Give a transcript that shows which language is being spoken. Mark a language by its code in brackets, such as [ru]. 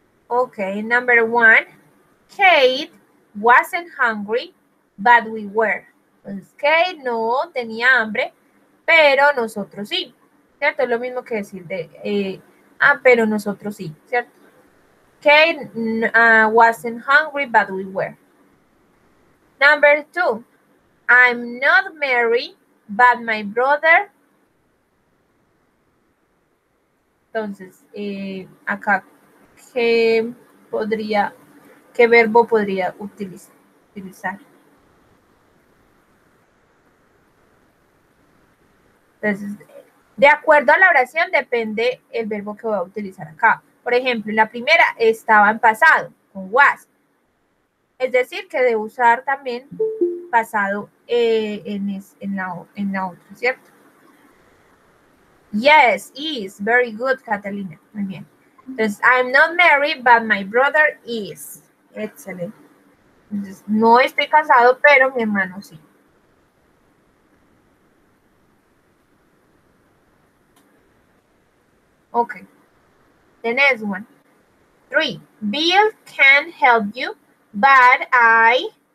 [en] Okay, number one. Kate wasn't hungry, but we were. [es] Entonces, Kate no tenía hambre, pero nosotros sí. ¿Cierto? Es lo mismo que decir de, pero nosotros sí, ¿cierto? [en] Kate wasn't hungry, but we were. Number two, I'm not married, but my brother. [es] Entonces, acá, ¿qué verbo podría utilizar? Entonces, de acuerdo a la oración, depende el verbo que voy a utilizar acá. Por ejemplo, la primera estaba en pasado, con was. Es decir, que debo usar también pasado en la otra, ¿cierto? [en] Yes, is. Very good, Catalina. [es] Muy bien. [en] Entonces, I'm not married, but my brother is. Excellent. [es] Entonces, no estoy casado, pero mi hermano sí. [en] Ok. The next one. Three. Bill can help you, but I.